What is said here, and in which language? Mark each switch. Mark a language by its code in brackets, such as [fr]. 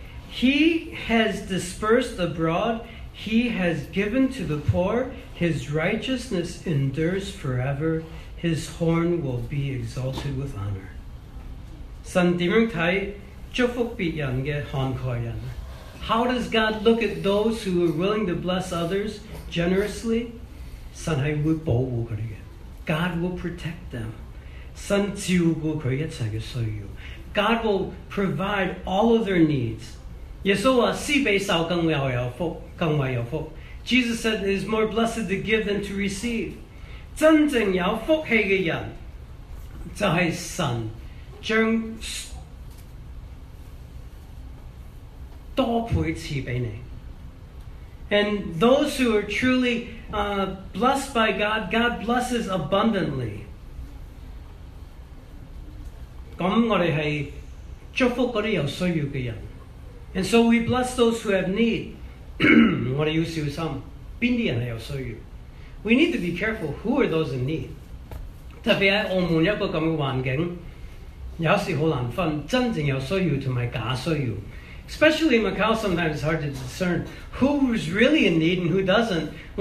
[en] He has dispersed abroad, he has given to the poor, his righteousness endures forever. His horn will be exalted with honor. [zh] 神怎样看祝福别人的慷慨人？ [en] How does God look at those who are willing to bless others generously? [zh] 神是会保护他们的。 [en] God will protect them. [zh] 神照顾他们一切的需要。 [en] God will provide all of their needs. [zh] 耶稣说,施比受更为有福。 [en] Jesus said it is more blessed to give than to receive. [zh] 真正有福气的人就是神将多倍赐给你。 [en] And those who are truly blessed by God, God blesses abundantly. [zh] 咁我哋系祝福嗰啲有需要嘅人。 [en] And so we bless those who have need. [zh] 我哋要小心，边啲人系有需要？ [en] We need to be careful who are those in need. [zh] 特别喺澳门一个咁嘅环境，有时好难分真正有需要同埋假需要。 [en] Especially in Macau, sometimes it's hard to discern who's really in need and who doesn't.